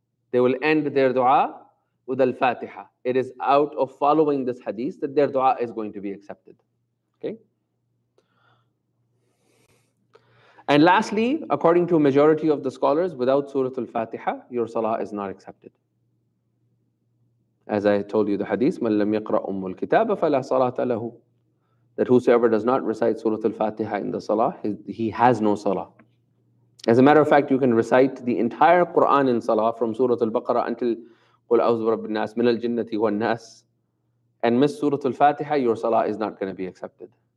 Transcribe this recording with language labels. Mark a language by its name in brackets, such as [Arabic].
[English] They will end their dua with Al-Fatiha. It is out of following this hadith that their dua is going to be accepted. Okay? And lastly, according to a majority of the scholars, without Surah Al-Fatiha, your salah is not accepted. As I told you the hadith, [Arabic] مَنْ لَمْ يَقْرَأْ أُمُّ الْكِتَابَ فَلَا صَلَاةَ لَهُ. [English] That whosoever does not recite Surah Al-Fatiha in the salah, he has no salah. As a matter of fact, you can recite the entire Quran in salah from Surah Al-Baqarah until [Arabic] قُلْ أَوْزُ رَبِّ النَّاسِ مِنَ الْجِنَّةِ وَالنَّاسِ [English] and miss Surah Al-Fatiha, your salah is not going to be accepted.